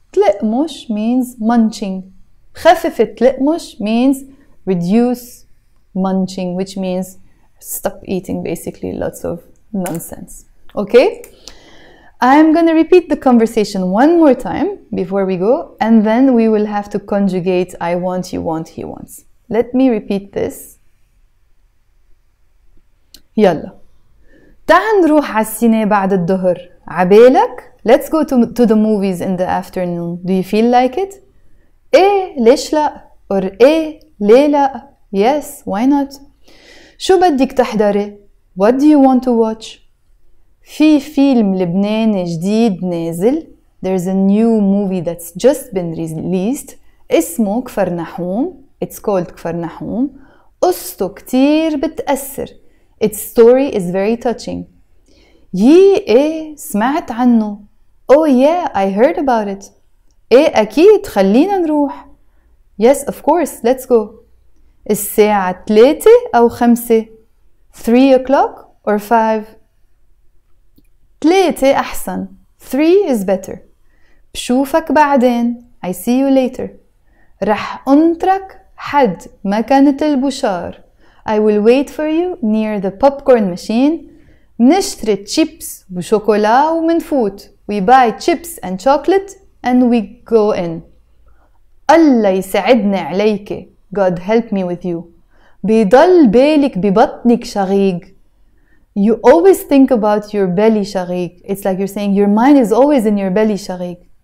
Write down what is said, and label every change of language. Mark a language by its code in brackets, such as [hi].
[en] تلقمش means munching. خفف تلقمش means reduce munching, which means stop eating basically lots of nonsense. Okay? I'm going to repeat the conversation one more time before we go, and then we will have to conjugate I want, you want, he wants. Let me repeat this. [ar] يلا تعال نروح على السينما بعد الظهر عبالك. [en] Let's go to the movies in the afternoon. Do you feel like it? [ar] ايه ليش لا؟ [en] Or [ar] ايه ليه لا؟ [en] Yes, why not? [ar] شو بدك تحضري؟ [en] What do you want to watch? [ar] في فيلم لبناني جديد نازل. [en] There's a new movie that's just been released. [ar] اسمه كفرنحوم. [en] It's called كفرنحوم. [ar] قصته كتير بتأثر. [en] Its story is very touching. [ar] يي إيه سمعت عنه. [en] Oh yeah, I heard about it. [ar] إيه أكيد خلينا نروح. [en] Yes, of course, let's go. [ar] الساعة 3 أو 5؟ [en] 3 o'clock or 5؟ [ar] 3 أحسن. [en] 3 is better. [ar] بشوفك بعدين. [en] I see you later. [ar] رح أنترك حد مكانة البشار. [en] I will wait for you near the popcorn machine. [ar] نشتري chips وشوكولا ومنفوت. [en] We buy chips and chocolate and we go in. [ar] الله يساعدنا عليك. [en] God help me with you. [ar] بيضل بالك ببطنك شغيق. [en] You always think about your belly شغيق. It's like you're saying your mind is always in your belly شغيق.